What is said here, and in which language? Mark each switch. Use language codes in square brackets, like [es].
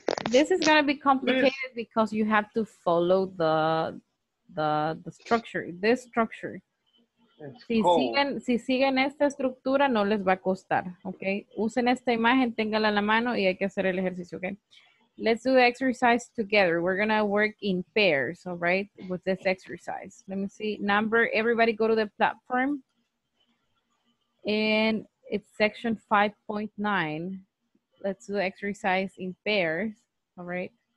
[en] This is going to be complicated because you have to follow the structure, this structure. [es] Si siguen esta estructura, no les va a costar, okay? Usen esta imagen, téngala en la mano y hay que hacer el ejercicio, okay? [en] Let's do the exercise together. We're going to work in pairs, all right, with this exercise. Let me see. Number, everybody go to the platform. And it's section 5.9. Let's do the exercise in pairs, all right?